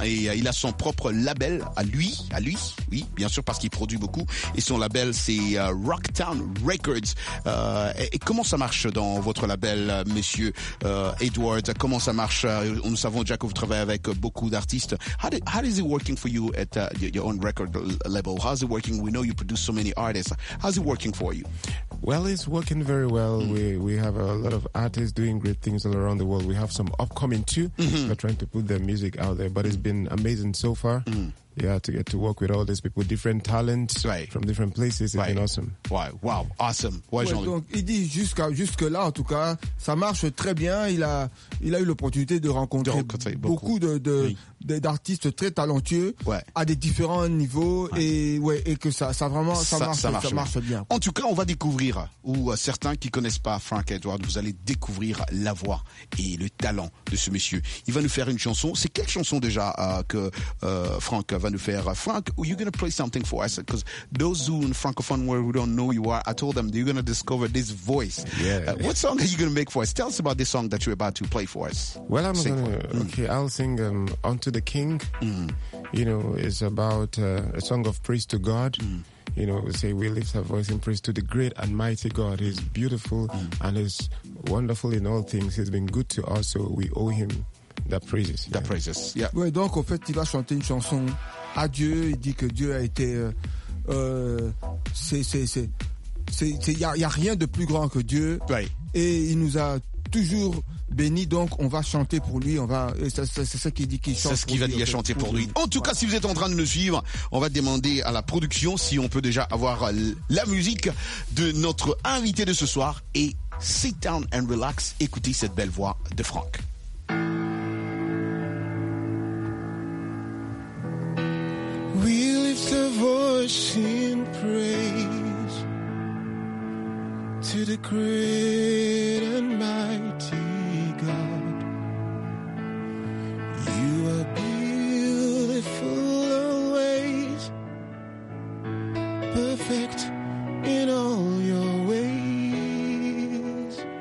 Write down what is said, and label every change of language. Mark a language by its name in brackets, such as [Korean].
[French] Et il a son propre label à lui, oui, bien sûr, parce qu'il produit beaucoup. Et son label, c'est Rocktown Records. Et comment ça marche dans votre label, monsieur Edward? Comment ça marche? Nous savons déjà que vous travaillez avec beaucoup d'artistes. [English] How is it working for you at your own record label? How's it working? We know you produce so many artists. How's it working for you? Well, it's working very well. We have a lot of artists doing great things all around the world. We have some upcoming too. We're trying to put their music out there, but it's been amazing so far. Yeah, to get to work with all these people, different talents, right, from different places, it's right, been awesome. Wow, wow, awesome. [French] Ouais, ouais, donc, il dit jusque là, en tout cas, ça marche très bien. Il a eu l'opportunité de rencontrer beaucoup d'artistes très talentueux, ouais, à des différents niveaux, ouais, et ouais, et que ça marche bien. En tout cas, on va découvrir, ou certains qui connaissent pas Frank Edward, vous allez découvrir la voix et le talent de ce monsieur. Il va nous faire une chanson. C'est quelle chanson déjà Frank va nous faire? [English] Frank, are you gonna play something for us? Because those who in francophone world who don't know you are, I told them you're gonna discover this voice. Yeah. What song are you gonna make for us? Tell us about this song that you're about to play for us. Well, I'm sing gonna okay. Mm. I'll sing "Unto the King." Mm. You know, it's about a song of praise to God. Mm. You know, we say we lift our voice in praise to the great and mighty God. He's beautiful and he's wonderful in all things. He's been good to us, so we owe him that praises. That praises. Yeah. [French] Ouais, donc en fait, il va chanter une chanson à Dieu. Il dit que Dieu a été. Il y a rien de plus grand que Dieu. [English] Right. [French] Et il nous a toujours béni, donc on va chanter pour lui, c'est ça qu'il dit qu'il chante. C'est ce qu'il va dire, chanter pour lui. En tout cas, si vous êtes en train de nous suivre, on va demander à la production si on peut déjà avoir la musique de notre invité de ce soir et [English] sit down and relax, [French] écoutez cette belle voix de Frank. [English] We lift the voice in praise to the great and mighty God. You are beautiful always, perfect in all your ways.